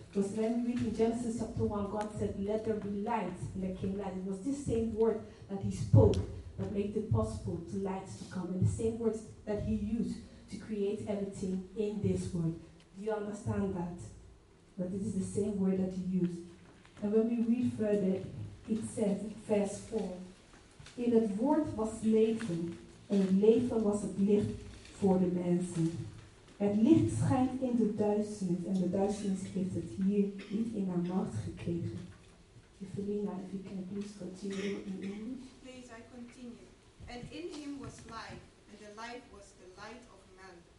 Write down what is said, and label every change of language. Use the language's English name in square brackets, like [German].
[English] Because when we read in Genesis chapter 1, God said, let there be light, and there came light. It was this same word that he spoke that made it possible to light to come. And the same words that he used to create everything in this world. Do you understand that? But this is the same word that he used. And when we read further, it says in verse 4, [Dutch] in het woord was leven, en het leven was het licht voor de mensen. Het licht schijnt in de duisternis en de duisternis heeft het hier niet in haar macht gekregen. [English] Evelina, if you can please continue in English. Please, I continue. And in him was life, and the life was the light of man.